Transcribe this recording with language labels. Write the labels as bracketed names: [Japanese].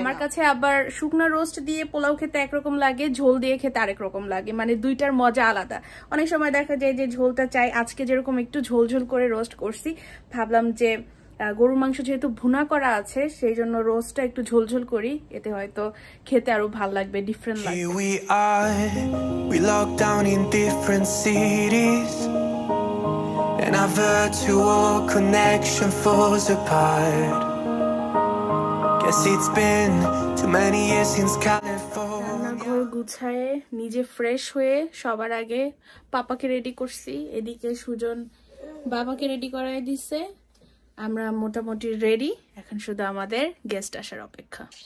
[Bangla] আমার কাছে আবার শুকনো রোস্ট দিয়ে পোলাও খেতে একরকম লাগে, ঝোল দিয়ে খেতে আরেক রকম লাগে, মানে দুইটার মজা আলাদা। অনেক সময় দেখা যায় যে ঝোলটা চাই, আজকে যেরকম একটু ঝোলঝোল করে রোস্ট করছি, ভাবলাম যে গরুর মাংস যেহেতু ভুনা করা আছে সেই জন্য রোস্টটা একটু ঝোলঝোল করি, এতে হয়তো খেতে আরো ভালো লাগবে, ডিফারেন্ট লাগবে। [English] Here we are, we locked down in different cities, and our virtual connection falls apart. Guess it's been too many years since California. [Bangla] ঘর গুছায়ে নিজে ফ্রেশ হয়ে সবার আগে পাপাকে রেডি করছি, এদিকে সুজন বাবাকে রেডি করায় দিছে। আমরা মোটামুটি রেডি, এখন শুধু আমাদের গেস্ট আসার অপেক্ষা।